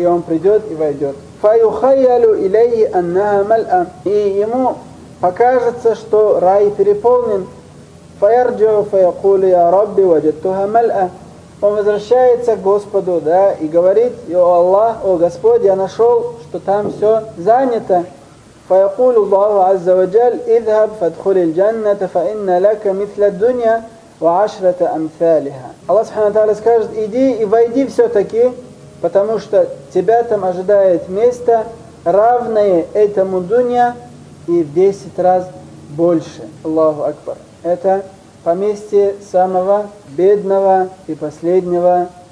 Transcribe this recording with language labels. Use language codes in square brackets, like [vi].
[ru] И он придет и войдет. [ar] «Фаюхайялю илейхи аннаха мал'а». [ru] И ему покажется, что рай переполнен. [ar] «Фаярджу фаякулу я Рабби ваджадтуха мал'а». [ru] Он возвращается к Господу, да, и говорит: «О Аллах, о Господь, я нашел, что там все занято». [ar] فيقول الله عز وجل: اذهب فادخل الجنة فإن لك مثل الدنيا وعشرة أمثالها. [ru] Аллах Субхана ва Тааля скажет: иди и войди все-таки, потому что тебя там ожидает место, равное этому дунья и в 10 раз больше. Аллаху Акбар. Это поместье самого бедного и последнего